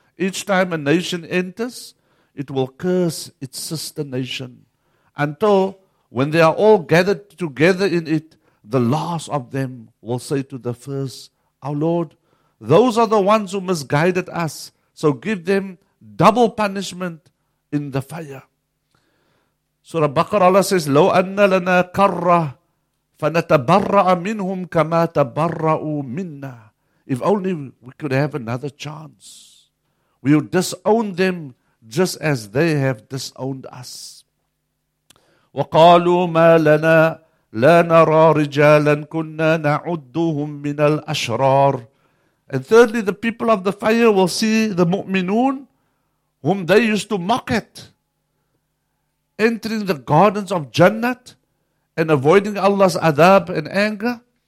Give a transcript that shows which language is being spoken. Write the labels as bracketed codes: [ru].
[en] Each time a nation enters, it will curse its sister nation. Until when they are all gathered together in it, the last of them will say to the first, our Lord, those are the ones who misguided us, so give them double punishment in the fire. Surah Baqarah, Allah says, [ar] لو أن لنا كرة فنتبرأ منهم كما تبرأوا منا. [en] If only we could have another chance. We would disown them just as they have disowned us. [ar] وَقَالُوا مَا لَنَا لَا نَرَى رِجَالًا كُنَّا نَعُدُّهُم مِّنَ الْأَشْرَارِ. [en] And thirdly, the people of the fire will see the mu'minun, whom they used to mock at, entering the gardens of Jannat and avoiding Allah's adab and anger.